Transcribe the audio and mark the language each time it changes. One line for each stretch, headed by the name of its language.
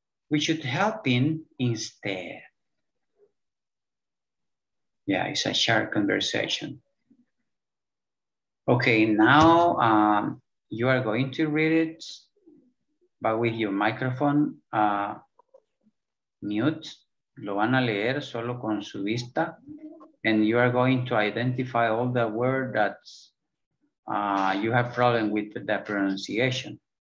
English: We should help him instead. Yeah, it's a short conversation. Okay, now you are going to read it, but with your microphone mute.
Spanish: Lo van a leer solo con su vista.
English: And you are going to identify all the words that you have problem with the pronunciation.